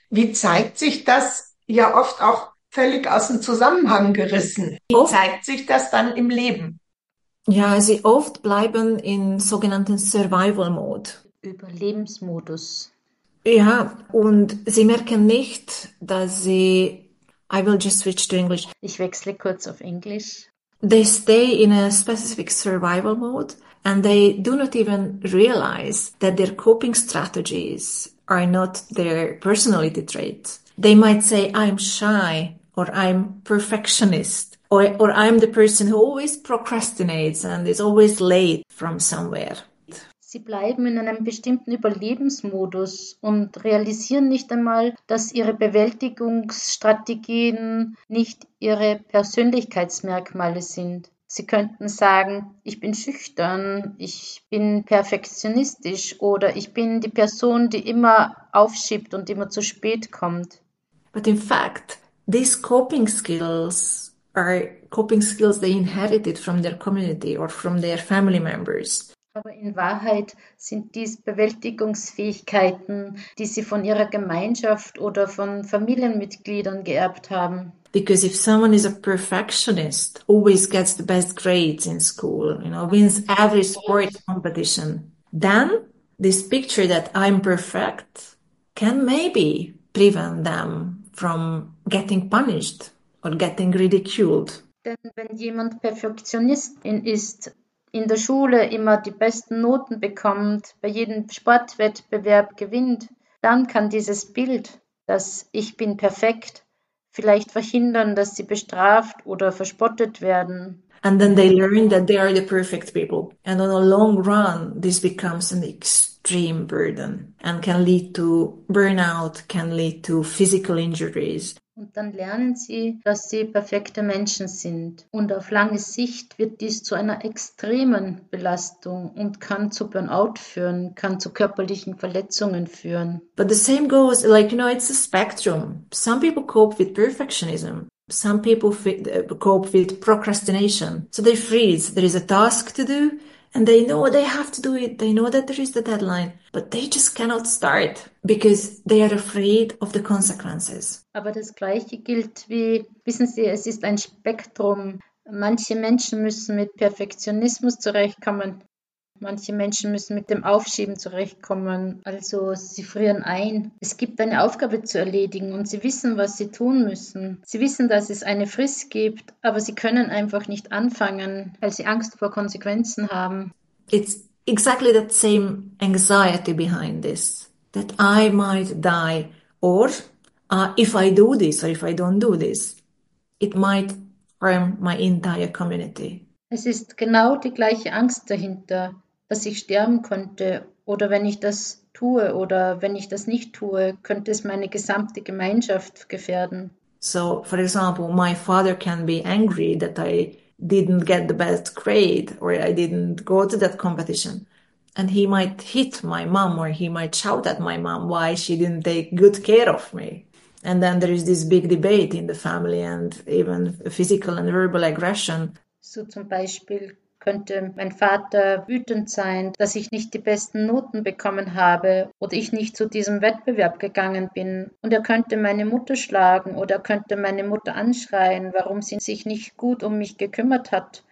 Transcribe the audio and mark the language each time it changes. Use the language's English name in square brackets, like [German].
[German] Wie zeigt sich das? Ja, oft auch völlig aus dem Zusammenhang gerissen. Wie zeigt sich das dann im Leben? Ja, sie oft bleiben in sogenannten Survival Mode. Überlebensmodus. Ja, und sie merken nicht, dass sie, [English] I will just switch to English. [German] Ich wechsle kurz auf Englisch. [English] They stay in a specific survival mode and they do not even realize that their coping strategies are not their personality traits. They might say, I'm shy, or I'm perfectionist, or I'm the person who always procrastinates and is always late from somewhere. [German] Sie bleiben in einem bestimmten Überlebensmodus und realisieren nicht einmal, dass ihre Bewältigungsstrategien nicht ihre Persönlichkeitsmerkmale sind. Sie könnten sagen, ich bin schüchtern, ich bin perfektionistisch oder ich bin die Person, die immer aufschiebt und immer zu spät kommt. [English] But in fact, these coping skills are coping skills they inherited from their community or from their family members. [German] Aber in Wahrheit sind dies Bewältigungsfähigkeiten, die sie von ihrer Gemeinschaft oder von Familienmitgliedern geerbt haben. [English] Because if someone is a perfectionist, always gets the best grades in school, you know, wins every sport competition, then this picture that I'm perfect can maybe prevent them from getting punished or getting ridiculed. [German] Denn wenn jemand Perfektionist ist, in der Schule immer die besten Noten bekommt, bei jedem Sportwettbewerb gewinnt, dann kann dieses Bild, dass ich bin perfekt, vielleicht verhindern, dass sie bestraft oder verspottet werden. [English] And then they learn that they are the perfect people. And on a long run, this becomes an extreme burden and can lead to burnout, can lead to physical injuries. [German] Und dann lernen sie, dass sie perfekte Menschen sind. Und auf lange Sicht wird dies zu einer extremen Belastung und kann zu Burnout führen, kann zu körperlichen Verletzungen führen. [English] But the same goes, like, you know, it's a spectrum. Some people cope with perfectionism. Some people cope with procrastination. So they freeze. There is a task to do and they know they have to do it. They know that there is the deadline, but they just cannot start because they are afraid of the consequences. [German] Aber das Gleiche gilt wie, wissen Sie, es ist ein Spektrum. Manche Menschen müssen mit Perfektionismus zurechtkommen. Manche Menschen müssen mit dem Aufschieben zurechtkommen. Also sie frieren ein. Es gibt eine Aufgabe zu erledigen und sie wissen, was sie tun müssen. Sie wissen, dass es eine Frist gibt, aber sie können einfach nicht anfangen, weil sie Angst vor Konsequenzen haben. [English] It's exactly that same anxiety behind this, that I might die or if I do this or if I don't do this, it might harm my entire community. [German] Es ist genau die gleiche Angst dahinter, dass ich sterben könnte oder wenn ich das tue oder wenn ich das nicht tue, könnte es meine gesamte Gemeinschaft gefährden. [English] So, for example, my father can be angry that I didn't get the best grade or I didn't go to that competition. And he might hit my mom or he might shout at my mom why she didn't take good care of me. And then there is this big debate in the family and even physical and verbal aggression. [German] So zum Beispiel könnte mein Vater wütend sein, dass ich nicht die besten Noten bekommen habe oder ich nicht zu diesem Wettbewerb gegangen bin. Und er könnte meine Mutter schlagen oder könnte meine Mutter anschreien, warum sie sich nicht gut um mich gekümmert hat.